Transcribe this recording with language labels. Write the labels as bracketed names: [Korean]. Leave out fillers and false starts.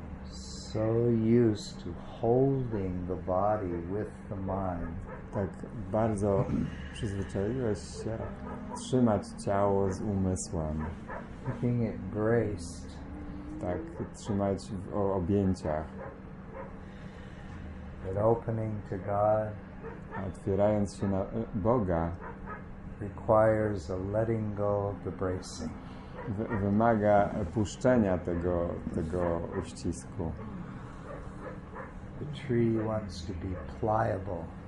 [English] So used to holding the body with the mind. [Polish] Tak bardzo przyzwyczaiłeś się trzymać ciało z umysłem. [English] Keeping it braced. [Polish] Tak trzymać w objęciach. [English] But opening to God. [Polish] Otwierając się na Boga. [English] Requires a letting go of the bracing. [Polish] Wymaga puszczenia tego uścisku. [English] The tree wants to be pliable.